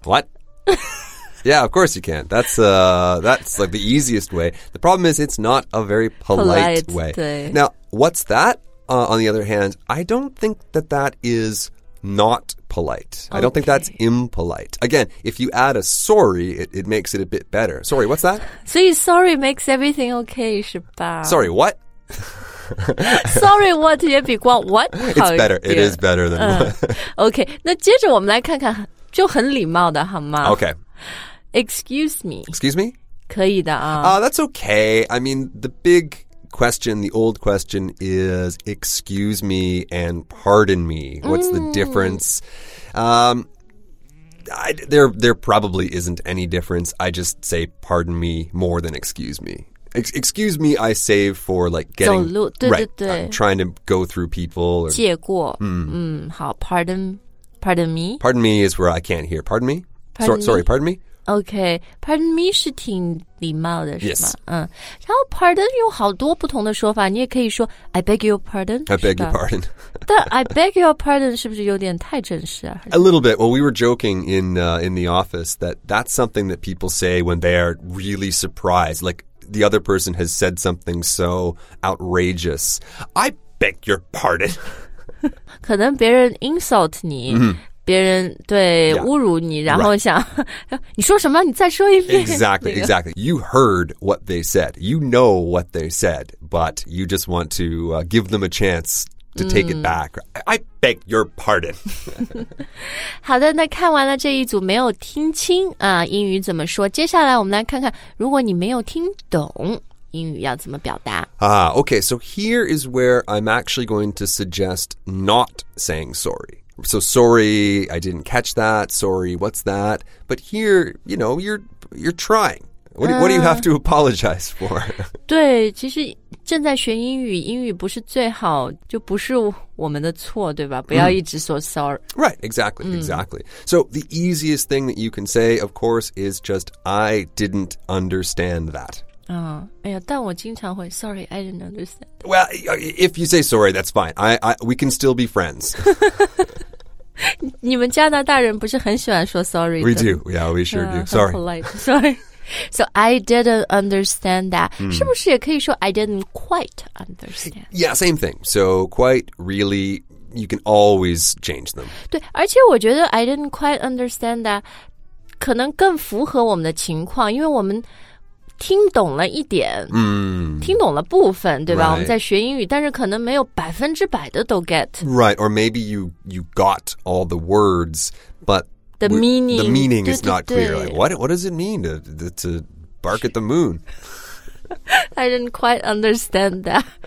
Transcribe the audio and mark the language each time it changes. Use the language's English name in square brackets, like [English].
[English] What? Yeah, of course you can. That's like the easiest way. The problem is it's not a very polite way. [Chinese] 对。 [English] Now, what's that? On the other hand, I don't think that is not polite. Okay. I don't think that's impolite. Again, if you add a sorry, it makes it a bit better. Sorry, what's that? [Chinese] 所以 [English] sorry makes everything okay, [Chinese] 是吧 [English] Sorry, what? Sorry, what [Chinese] 也比光 [English] what [Chinese] 好一点 [English] It's better. It is better than what. Okay, [Chinese] 那接着我们来看看，就很礼貌的好吗 [English] ？Okay. Excuse me. Excuse me. [Chinese] 可以的啊。 [English] That's okay. I mean, the big question, the old question is, excuse me and pardon me. What's the difference? There probably isn't any difference. I just say pardon me more than excuse me. Excuse me, I save for like getting [Chinese] 走路对对对 [English] right, trying to go through people. Or, [Chinese] 借过、好 [English] pardon me. Pardon me is where I can't hear. Pardon me? Sorry, pardon me? Okay, pardon me [Chinese] 是挺礼貌的 [English] yes. [Chinese] 是吗、然后 pardon 有好多不同的说法你也可以说 [English] I beg your pardon. I beg your pardon. [Chinese] 但 [English] I beg your pardon [Chinese] 是不是有点太正式啊 [English] A little bit. Well, we were joking in the office that's something that people say when they are really surprised. Like,The other person has said something so outrageous. I beg your pardon. [Chinese] 可能别人 [English] insult [Chinese] 你、别人对、侮辱你然后想、 [English] right. [Chinese] 你说什么你再说一遍 [English] Exactly, exactly. You heard what they said. You know what they said, but you just want to、give them a chance to take it back. I beg your pardon. [Chinese] 好的那看完了这一组没有听清、英语怎么说接下来我们来看看如果你没有听懂英语要怎么表达。 [English] Okay, so here is where I'm actually going to suggest not saying sorry. So sorry, I didn't catch that. Sorry, what's that? But here, you know, you're trying. What do you have to apologize for? [Chinese] 对其实正在学英语英语不是最好就不是我们的错对吧不要一直说 [English] sorry. Right, exactly, exactly. So the easiest thing that you can say, of course, is just, I didn't understand that. [Chinese] 哎呀但我经常会 [English] sorry, I didn't understand. Well, if you say sorry, that's fine. We can still be friends. [Chinese] 你们加拿大人不是很喜欢说 [English] sorry [Chinese] 的 [English] We do, yeah, we sure do. Sorry. Sorry. So, I didn't understand that.、 [Chinese] 是不是也可以说 [English] I didn't quite understand? Yeah, same thing. So, quite, really, you can always change them. [Chinese] 对而且我觉得 [English] I didn't quite understand that [Chinese] 可能更符合我们的情况因为我们听懂了一点、听懂了部分对吧、 [English] right. [Chinese] 我们在学英语但是可能没有百分之百的都 [English] get. Right, or maybe you got all the words, but... The meaning is not clear. Like, what does it mean to bark at the moon? I didn't quite understand that.